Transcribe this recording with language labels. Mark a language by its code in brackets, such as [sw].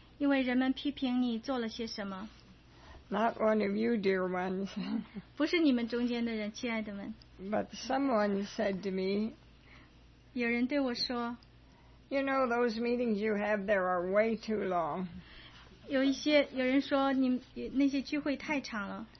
[zh] 因为人们批评你做了些什么。 [en] Not one of you, dear ones. [zh] 不是你们中间的人，亲爱的们。 [en] But someone said to me. [zh] 有人对我说。 [en] You know those meetings you have there are way too long. [zh] 有人说你那些聚会太长了。